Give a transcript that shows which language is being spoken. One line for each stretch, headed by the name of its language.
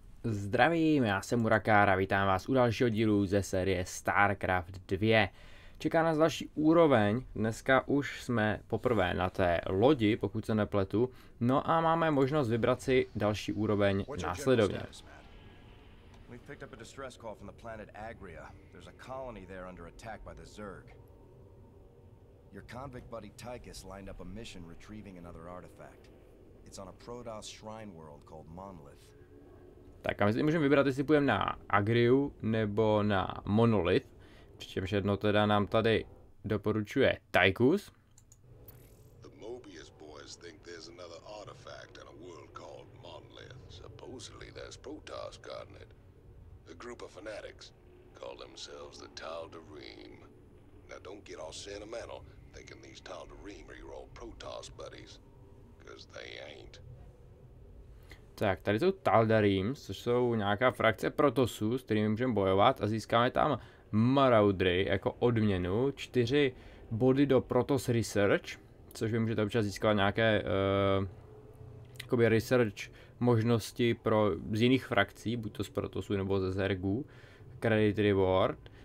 Czech: Zdravím, já jsem Urakár a vítám vás u dalšího dílu ze série StarCraft 2. Čeká nás další úroveň, dneska už jsme poprvé na té lodi, pokud se nepletu, no a máme možnost vybrat si další úroveň následovně.
English: We've picked up a distress call from the planet Agria. There's a colony there under attack by the Zerg. Your convict buddy Tychus lined up a mission retrieving another artifact. It's on a Protoss shrine world called Monolith.
Czech: Tak a my si můžeme vybrat, jestli půjdeme na Agriu nebo na Monolith. Přičemž jedno teda nám tady doporučuje Tychus.
English: The Mobius boys think there's another artifact on a world called Monolith. Supposedly there's Protoss guarding it. A group of fanatics call themselves the Tal Darim. Now don't get all sentimental thinking these Tal Darim are your old Protoss buddies, because they ain't.
Czech: Tak, tady jsou Tal Darim, což jsou nějaká frakce Protossů, s kterými můžeme bojovat a získáme tam Maraudry jako odměnu, 4 body do Protoss Research, což vy můžete občas získávat nějaké jakoby research možnosti pro z jiných frakcí, buď to z Protosu nebo ze Zergu, credit reward.